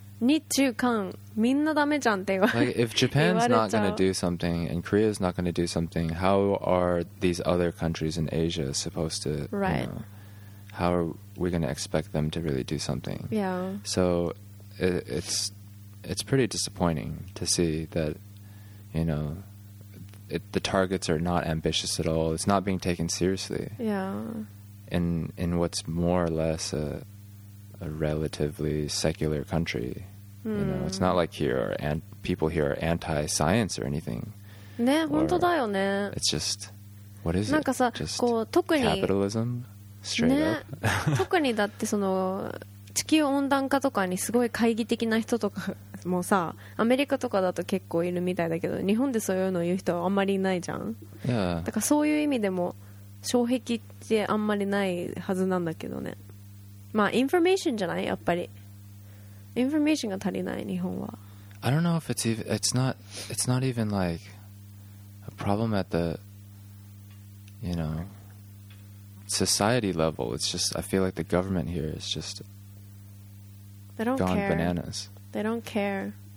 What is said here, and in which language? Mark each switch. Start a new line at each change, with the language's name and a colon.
Japanese: 日中韓、みんなダメじゃんって言われちゃう。
English: Like, if Japan's not going to do something and Korea's not going to do something, how are these other countries in Asia supposed to, right. you know, how are we going to expect them to really do something? Yeah. So it's pretty disappointing to see that, you know, the targets are not ambitious at all. It's not being taken seriously. Yeah. In what's more or less a relatively secular country. You know, it's not like here are people here are anti-science or anything.
Japanese: ね、本当だよね。
English: It's just, what is it?
Japanese: なんかさ、こう、特に、
English: capitalism? Straight up?
Japanese: 特にだってその、地球温暖化とかにすごい懐疑的な人とかもさ、アメリカとかだと結構いるみたいだけど、日本でそういうのを言う人はあんまりいないじゃん。
English: Yeah.
Japanese: だからそういう意味でも、障壁ってあんまりないはずなんだけどね。まあ、インフォメーションじゃない？やっぱり。インフォメーションが足りない、日本は。
English: I don't know if it's even, it's not even like a problem at the, you know, society level. It's just, I feel like the government here is just gone bananas. They don't care.